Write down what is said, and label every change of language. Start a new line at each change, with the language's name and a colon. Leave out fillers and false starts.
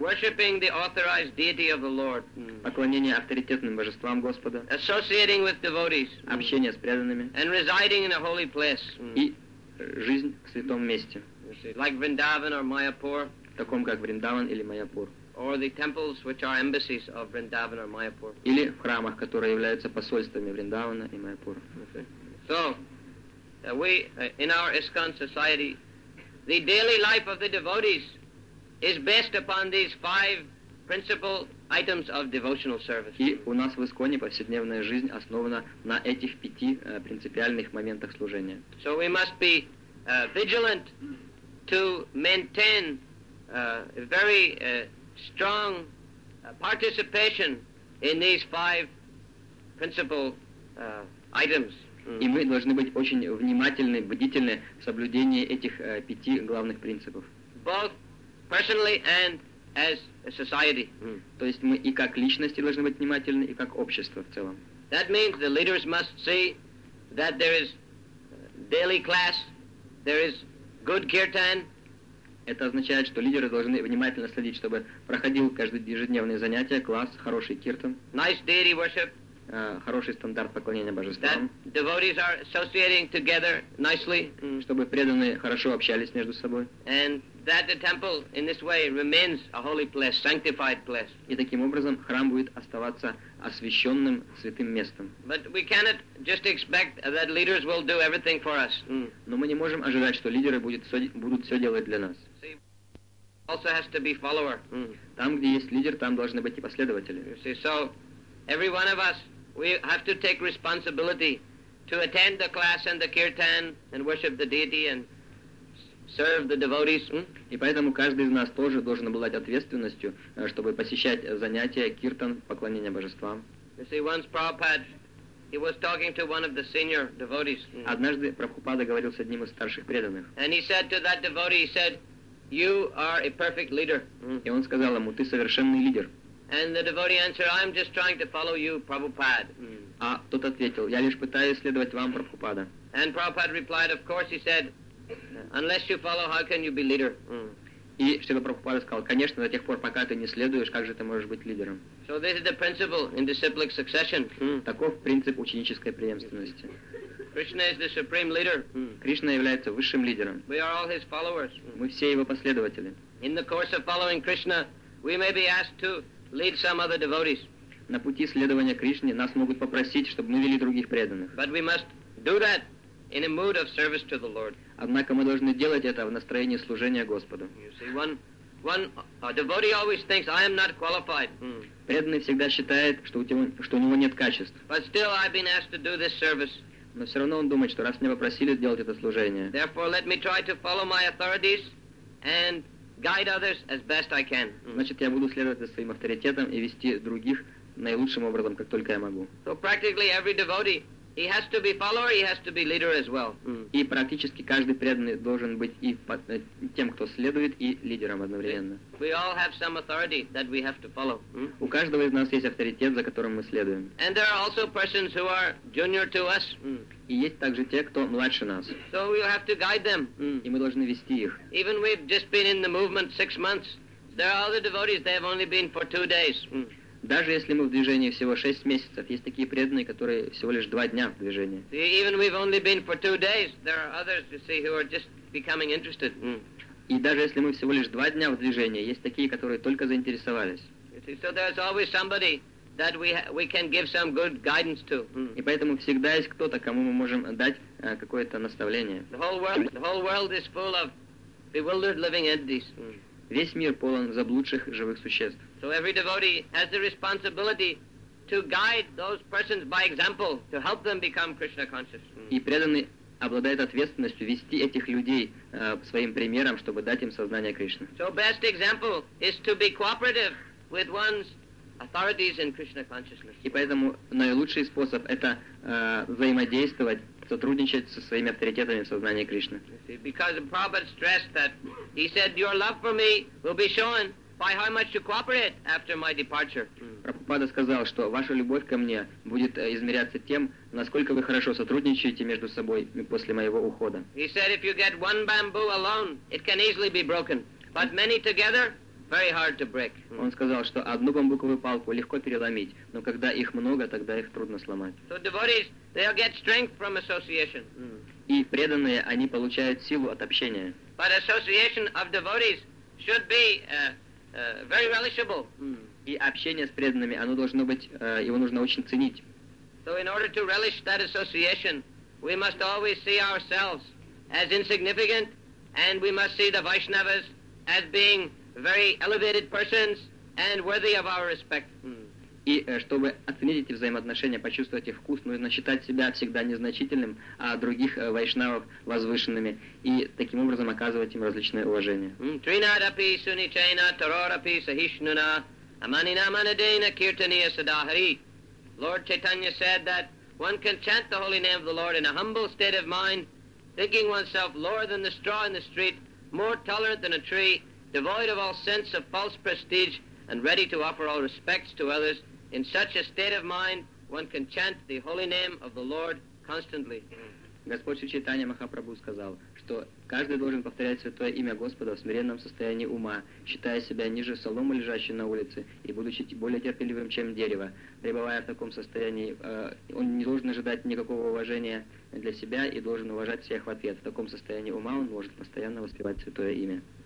English: worshipping the authorized deity of the Lord,
Russian: поклонение авторитетным божествам Господа,
English: associating with devotees,
Russian: общение с преданными,
English: and residing in a holy place,
Russian: и жизнь в святом месте,
English: like Vrindavan or Mayapur,
Russian: таком как Вриндаван или Майяпур,
English: or the temples which are embassies of Vrindavan or Mayapur,
Russian: или в храмах, которые являются посольствами Вриндавана и Майяпура.
English: So, in our ISKCON society, the daily life of the devotees is based upon these five principal items of devotional service.
Russian: И у нас в ИСККОНе повседневная жизнь основана на этих пяти принципиальных моментах служения.
English: So we must be vigilant to maintain a very strong participation in these five principal items.
Russian: И мы должны быть очень внимательны, бдительны в соблюдении этих пяти главных принципов.
English: Both personally and as a society.
Russian: То есть мы и как личности должны быть внимательны, и как общество в целом.
English: That means the leaders must see that there is daily class, there is good kirtan.
Russian: Это означает, что лидеры должны внимательно следить, чтобы проходил каждый ежедневный занятие, класс, хороший киртан.
English: Nice deity worship.
Russian: Хороший стандарт поклонения божествам.
English: That devotees are associating together nicely,
Russian: чтобы преданные хорошо общались между собой.
English: And that the temple in this way remains a holy place, sanctified place.
Russian: И таким образом храм будет оставаться освященным святым местом.
English: But we cannot just expect that leaders will do everything for us.
Russian: Но мы не можем ожидать, что лидеры будут все делать для нас.
English: Also has to be follower.
Russian: Там, где есть лидер, там должны быть и последователи.
English: Every one of us, we have to take responsibility to attend the class and the kirtan and worship the deity and serve the devotees.
Russian: И поэтому каждый из нас тоже должен обладать ответственностью, чтобы посещать занятия киртан, поклонение божествам.
English: You see, once Prabhupada, he was talking to one of the senior devotees.
Russian: Однажды Прабхупада говорил с одним из старших преданных.
English: And he said to that devotee, he said, "You are a perfect leader."
Russian: И он сказал ему, ты совершенный лидер.
English: And the devotee answered, "I'm just trying to follow you, Prabhupada."
Russian: А тот ответил, я лишь пытаюсь следовать вам, Прабхупада.
English: And Prabhupada replied, "Of course," he said, "unless you follow, how can you be leader?"
Russian: И Шрила Прабхупада сказал, конечно, до тех пор, пока ты не следуешь, как же ты можешь быть лидером?
English: So this is the principle in disciplic succession.
Russian: Таков принцип ученической преемственности.
English: Krishna is the supreme leader.
Russian: Кришна является высшим лидером.
English: We are all his followers.
Russian: Мы все его последователи.
English: In the course of following Krishna, we may be asked to lead some other devotees.
Russian: На пути следования Кришне нас могут попросить, чтобы мы вели других преданных.
English: But we must do that in a mood of service to the Lord.
Russian: Однако мы должны делать это в настроении служения Господу.
English: You see, one devotee always thinks I am not qualified.
Russian: Преданный всегда считает, что у него нет качеств.
English: But still, I've been asked to do this service.
Russian: Но все равно он думает, что раз меня попросили делать это служение.
English: Therefore, let me try to follow my authorities and guide others as best I can.
Russian: Значит, я буду следовать за своим авторитетом и вести других наилучшим образом, как только я могу.
English: So practically every devotee, he has to be follower, he has to be leader as well.
Russian: И практически каждый преданный должен быть и тем, кто следует, и лидером одновременно.
English: We all have some authority that we have to follow.
Russian: У каждого из нас есть авторитет, за которым мы следуем.
English: And there are also persons who are junior to us.
Russian: И есть также те, кто младше нас.
English: So we have to guide them.
Russian: И мы должны вести их.
English: Even we've just been in the movement 6 months, there are other devotees, they have only been for 2 days.
Russian: Даже если мы в движении всего 6 месяцев, есть такие преданные, которые всего лишь 2 дня в движении.
English: Even we've only been for 2 days, there are others, you see, who are just becoming interested.
Russian: И даже если мы всего лишь 2 дня в движении, есть такие, которые только заинтересовались.
English: You see, so there's always somebody that we can give some good guidance to.
Russian: И поэтому всегда есть кто-то, кому мы можем дать какое-то наставление.
English: The whole world is full of bewildered living entities.
Russian: Весь мир полон заблудших живых существ.
English: So every devotee has the responsibility to guide those persons by example, to help them become Krishna conscious.
Russian: И преданный обладает ответственностью вести этих людей своим примером, чтобы дать им сознание Кришны.
English: So best example is to be cooperative with one's authorities in Krishna consciousness.
Russian: И поэтому наилучший способ это взаимодействовать, сотрудничать со своими авторитетами в сознании Кришны.
English: Because Prabhupada stressed that he said your love for me will be shown by how much you cooperate after my departure.
Russian: Прабхупада сказал, что ваша любовь ко мне будет измеряться тем, насколько вы хорошо сотрудничаете между собой после моего ухода.
English: He said if you get one bamboo alone, it can easily be broken, but many together very hard to break.
Russian: Он сказал, что одну бамбуковую палку легко переломить, но когда их много, тогда их трудно сломать.
English: So devotees, they'll get strength from association.
Russian: И преданные, они получают силу от общения.
English: But association of devotees should be very relishable.
Russian: И общение с преданными, оно должно быть, его нужно очень ценить.
English: So in order to relish that association, we must always see ourselves as insignificant, and we must see the Vaishnavas as being very elevated persons and worthy of our respect.
Russian: И чтобы оценить эти взаимоотношения, почувствовать их вкус, нужно считать себя всегда незначительным, а других вайшнавов возвышенными, и таким образом оказывать им различное уважение.
Sanskrit: Тринадапи суничайна тарорапи сахишнуна аманина манадейна киртания садахари.
English: Lord Chaitanya said that one can chant the holy name of the Lord in a humble state of mind, thinking oneself lower than the straw in the street, more tolerant than a tree, devoid of all sense of false prestige, and ready to offer all respects to others. In such a state of mind, one can chant the holy name of the Lord constantly.
Russian: Господь Чайтанья Махапрабху сказал, что каждый должен повторять святое имя Господа в смиренном состоянии ума, считая себя ниже соломы, лежащей на улице, и будучи более терпеливым, чем дерево. Пребывая в таком состоянии, он не должен ожидать никакого уважения для себя и должен уважать всех в ответ. В таком состоянии ума он может постоянно воспевать святое имя.